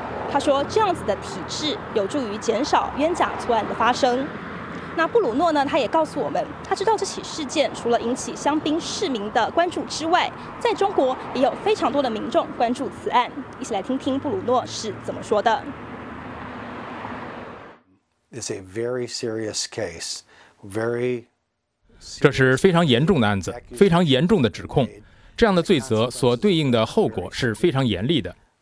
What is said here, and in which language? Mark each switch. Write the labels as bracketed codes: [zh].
[zh] 他说这样子的体制有助于减少冤假错案的发生。那布鲁诺呢，他也告诉我们，他知道这起事件除了引起香槟市民的关注之外，在中国也有非常多的民众关注此案。一起来听听布鲁诺是怎么说的。 [en] It's a very serious case, very... [zh] 这是非常严重的案子，非常严重的指控，这样的罪责所对应的后果是非常严厉的。